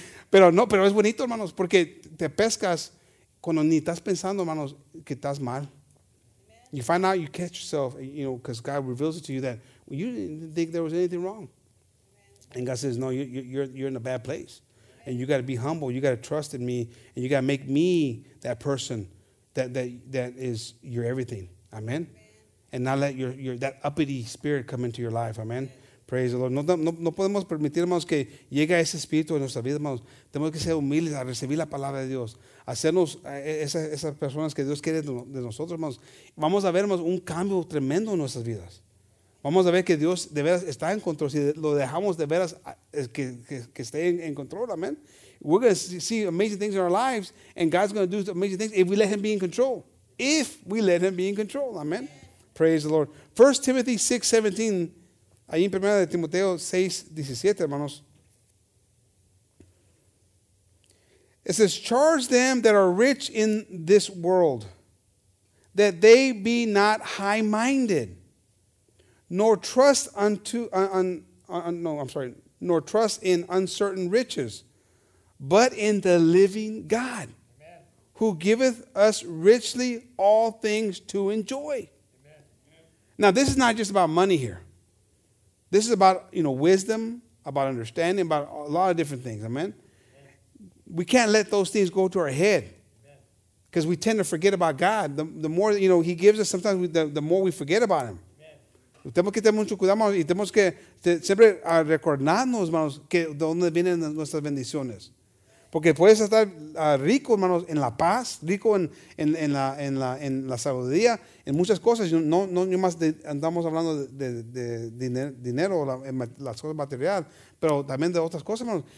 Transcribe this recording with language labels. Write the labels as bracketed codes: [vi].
[es] pero es bonito, hermanos, porque te pescas cuando ni estás pensando, hermanos, que estás mal. Amen. [en] You find out, you catch yourself, you know, because God reveals it to you that you didn't think there was anything wrong. And God says, no, you're in a bad place. And you got to be humble. You got to trust in me. And you got to make me that person that is your everything. Amen. And not let your that uppity spirit come into your life. Amen. Praise the Lord. [es] No podemos permitir, hermanos, que llegue ese espíritu en nuestra vida, hermanos. Tenemos que ser humildes a recibir la palabra de Dios. Hacernos esas personas que Dios quiere de nosotros, hermanos. Vamos a ver, hermanos, un cambio tremendo en nuestras vidas. Vamos a ver que Dios de veras está en control. Si lo dejamos de veras que esté en control, amen. [en] We're going to see amazing things in our lives, and God's going to do amazing things if we let him be in control. If we let him be in control, amen. Praise the Lord. 1 Timothy 6:17. [es] Ahí en 1 Timoteo 6:17, hermanos. [en] It says, charge them that are rich in this world, that they be not high-minded, nor trust in uncertain riches, but in the living God, Amen. Who giveth us richly all things to enjoy. Amen. Now, this is not just about money here. This is about, you know, wisdom, about understanding, about a lot of different things. Amen. Amen. We can't let those things go to our head. Because we tend to forget about God. The more, you know, he gives us, sometimes the more we forget about him. [es] Tenemos que tener mucho cuidado, y tenemos que siempre recordarnos, hermanos, que de dónde vienen nuestras bendiciones. Porque puedes estar rico, hermanos, en la paz, rico en la sabiduría, en muchas cosas. No más andamos hablando de dinero, las cosas materiales, pero también de otras cosas, hermanos.